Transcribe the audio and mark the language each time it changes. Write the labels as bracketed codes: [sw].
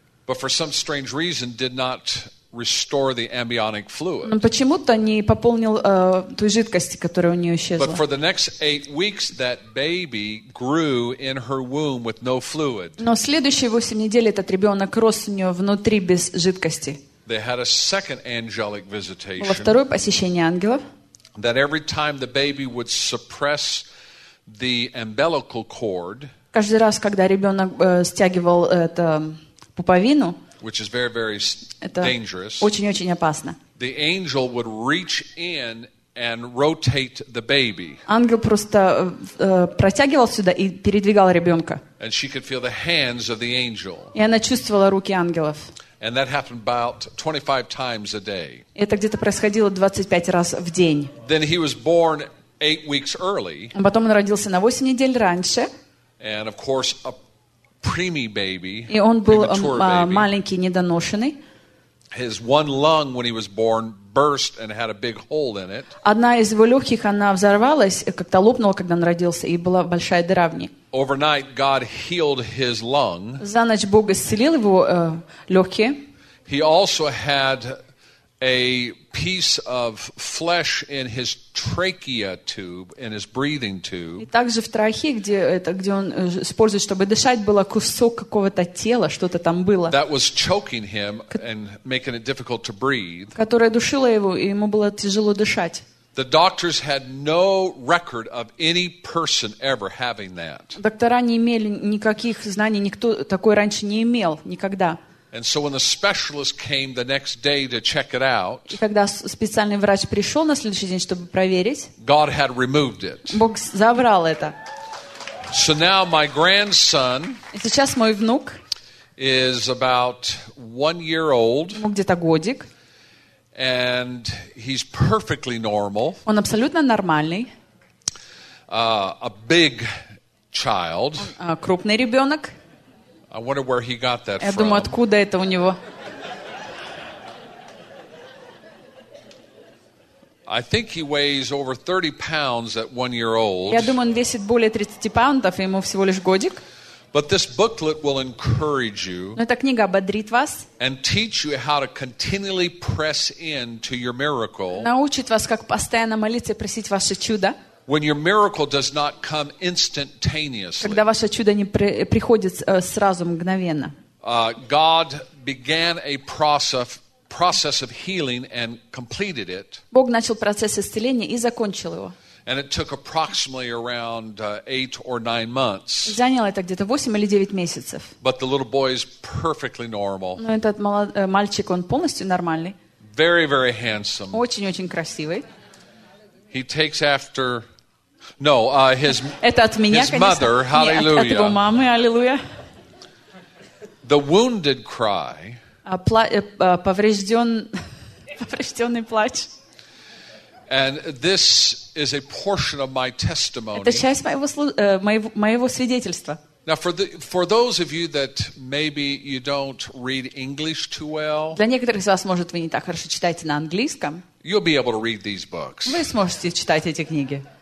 [en] But for some strange reason did not restore the amniotic fluid. [ru] Но почему-то не пополнил той жидкости, которая у нее исчезла. [en] But for the next 8 weeks, that baby grew in her womb with no fluid. [ru] Но следующие 8 недель этот ребенок рос у нее внутри без жидкости. [en] They had a second angelic visitation. [ru] Во второе посещение ангелов. [en] That every time the baby would suppress the umbilical cord. [ru] Каждый раз, когда ребенок стягивал эту пуповину, [en] which is very, very [ru] это [en] dangerous, [ru] очень-очень опасно, [en] the angel would reach in and rotate the baby. [ru] Ангел просто протягивал сюда и передвигал ребенка. [en] And she could feel the hands of the angel. [ru] И она чувствовала руки ангелов. [en] And that happened about 25 times a day. [ru] Это где-то происходило 25 раз в день. [en] Then he was born 8 weeks early. [ru] Потом он родился на 8 недель раньше. [en] And of course, a preemie baby. [ru] И он был маленький недоношенный. [en] His one lung when he was born burst and had a big hole in it. [ru] Одна из его легких она взорвалась, как-то лопнула, когда он родился, и была большая дыра в ней. [en] Overnight, God healed his lung. [ru] За ночь Бог исцелил его легкие. [en] He also had a piece of flesh in his trachea tube, in his breathing tube. [ru] И также в трахе, где он использует, чтобы дышать, было кусок какого-то тела, что-то там было. [en] That was choking him and making it difficult to breathe. [ru] Которое душило его, и ему было тяжело дышать. [en] The doctors had no record of any person ever having that. [ru] Доктора не имели никаких знаний, никто такой раньше не имел никогда. [en] And so when the specialist came the next day to check it out, [ru] и когда специальный врач пришел на следующий день, чтобы проверить, [en] God had removed it. [ru] Бог забрал это. [en] So now my grandson, [ru] и сейчас мой внук, [en] is about 1 year old, [ru] ему где-то годик, [en] and he's perfectly normal. [ru] Он абсолютно нормальный. [en] A big child. [ru] Крупный ребенок. [en] I wonder where he got that from. [ru] Я думаю, откуда это у него? [en] I think he weighs over 30 pounds at 1 year old. [ru] Я думаю, он весит более 30 паунтов, ему всего лишь годик. [en] But this booklet will encourage you. [ru] Но эта книга ободрит вас. [en] And teach you how to continually press in to your miracle. [ru] Научит вас, как постоянно молиться и просить ваше чудо. [en] When your miracle does not come instantaneously. [ru] Когда ваше чудо не приходит сразу, мгновенно. [en] God began a process of healing and completed it. [ru] Бог начал процесс исцеления и закончил его. [en] And it took approximately around 8 or 9 months. [ru] Заняло это где-то 8 или 9 месяцев. [en] But the little boy is perfectly normal. [ru] Но этот мальчик, он полностью нормальный. [en] Very, very handsome. [ru] Очень-очень красивый. [en] He takes after, no, his, his mother, hallelujah. The wounded cry. [ru] Поврежденный плач. [en] And this is a portion of my testimony. [ru] Это часть моего свидетельства. [en] Now, for those of you that maybe you don't read English too well, [ru] для некоторых из вас, может, вы не так хорошо читаете на английском, [en] you'll be able to read these books. [ru] Вы сможете читать эти книги.